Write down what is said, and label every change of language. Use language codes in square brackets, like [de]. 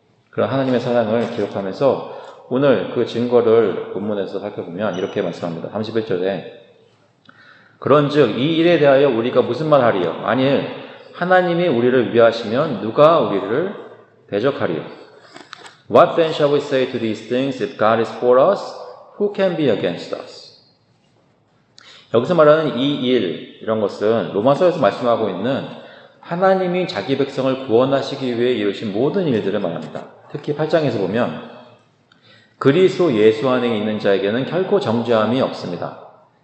[ko] 그런 하나님의 사랑을 기억하면서 오늘 그 증거를 본문에서 살펴보면 이렇게 말씀합니다. 31절에 그런즉 이 일에 대하여 우리가 무슨 말 하리요? 만일 하나님이 우리를 위하시면 누가 우리를 대적하리요? [en] What then shall we say to these things? If God is for us, who can be against us? [ko] 여기서 말하는 이 일, 이런 것은 로마서에서 말씀하고 있는 하나님이 자기 백성을 구원하시기 위해 이루신 모든 일들을 말합니다. 특히 8장에서 보면 그리스도 예수 안에 있는 자에게는 결코 정죄함이 없습니다.